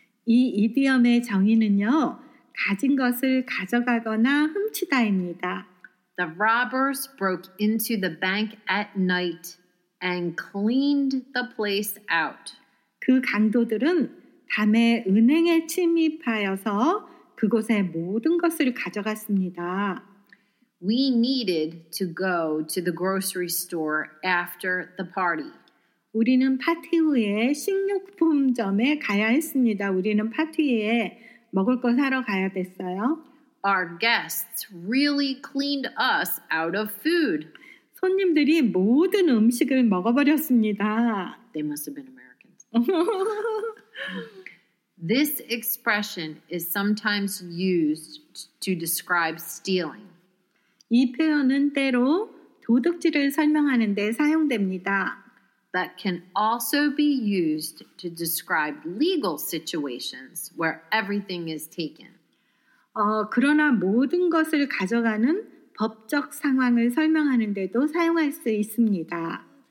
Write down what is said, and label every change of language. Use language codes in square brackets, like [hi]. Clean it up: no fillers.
[ko] 이 이디엄의 정의는요, 가진 것을 가져가거나 훔치다입니다. [en] The robbers broke into the bank at night and cleaned the place out. [ko] 그 강도들은 밤에 은행에 침입하여서 그곳에 모든 것을 가져갔습니다. [en] We needed to go to the grocery store after the party. [ko] 우리는 파티 후에 식료품점에 가야 했습니다. 우리는 파티에 먹을 거 사러 가야 됐어요. [en] Our guests really cleaned us out of food. [ko] 손님들이 모든 음식을 먹어버렸습니다. [en] They must have been Americans. This expression is sometimes used to describe stealing. [ko] 이 표현은 때로 도둑질을 설명하는 데 사용됩니다. [en] That can also be used to describe legal situations where everything is taken. [ko] 그러나 모든 것을 가져가는 법적 상황을 설명하는 데도 사용할 수 있습니다.